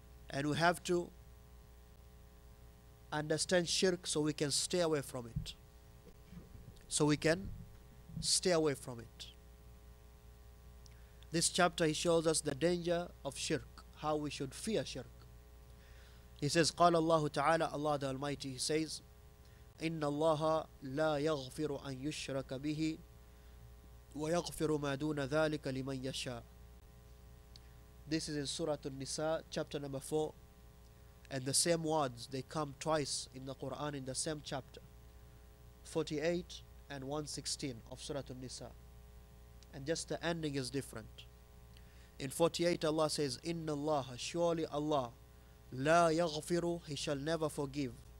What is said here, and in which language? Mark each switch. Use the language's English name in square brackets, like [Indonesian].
[English] And we have to understand shirk so we can stay away from it. So we can stay away from it. This chapter, he shows us the danger of shirk, how we should fear shirk. He says, [Arabic] قال الله تعالى, [English] Allah the Almighty, he says, [Arabic] إن الله لا يغفر أن يشرك به ويغفر ما دون ذلك لمن يشاء. [English] This is in Surah An-Nisa, chapter number 4. And the same words, they come twice in the Quran in the same chapter. 48 and 116 of Surah An-Nisa. And just the ending is different. In 48, Allah says, Inna Allah, surely Allah, La yaghfiru, He shall never forgive.